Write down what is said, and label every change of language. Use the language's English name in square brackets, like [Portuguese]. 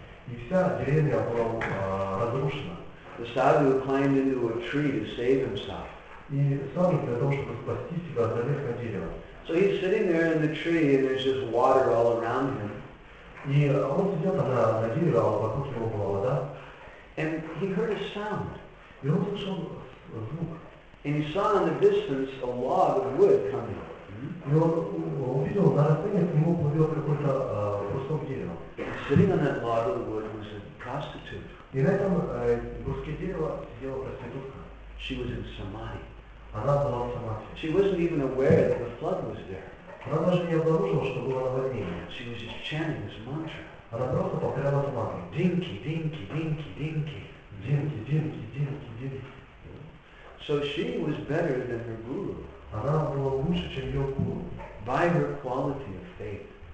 [Russian] И вся деревня была разрушена. [English] The sadhu climbed into a tree to save himself. [Russian] И сам для того, чтобы спасти себя, залез на дерево. [English] So he's sitting there in the tree and there's just water all around him. [Russian] И он сидел там на дереве, а вокруг него была вода. [English] And he heard a sound. [Russian] И он услышал звук. [English] And he saw in the distance a log of wood coming. [Russian] И он увидел на расстоянии, к нему плывет какой-то кусок дерева. [English] And sitting on that log of wood was a prostitute. [Russian] И на этом куске дерева сидела проститутка. [English] She was in samadhi. [Russian] Она была в самадхи. [English] She wasn't even aware that the flood was there. [Russian] Она даже не обнаружила, что было наводнение. [English] She was just chanting this mantra. [Russian] Она просто повторяла эту мантру. Динки, динки, динки, динки. Динки, динки, динки, динки. [English] So she was better than her guru. [Russian] Она была лучше, чем ее гуру. [English] By her quality of faith.